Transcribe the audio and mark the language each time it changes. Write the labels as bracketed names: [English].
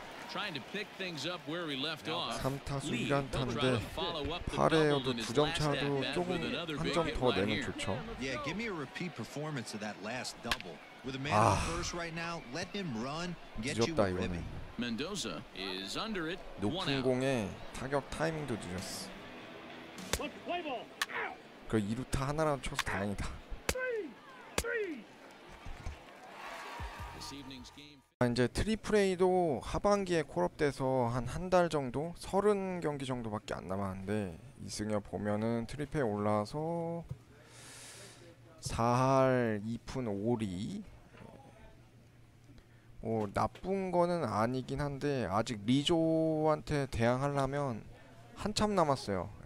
[English] Trying to pick things up where we left off. [Korean] 3타수 1안타인데 8회여도 두 점 차도 조금 한 점 더 내면 좋죠. [English] Yeah, give me a repeat performance of that last double. With a man first right now, let him run, get you a ribby. Mendoza is under it. [Korean] 높은 공에 타격 타이밍도 늦었어. 그 2루타 하나라도 쳐서 다행이다. [English] This evening's game. [Korean] 이제 트리플 A도 하반기에 콜업돼서 한 달 정도 30경기 정도밖에 안 남았는데 이승엽 보면은 트리플 A 올라와서 4할 2푼 5리 뭐 나쁜 거는 아니긴 한데 아직 리조한테 대항하려면 한참 남았어요.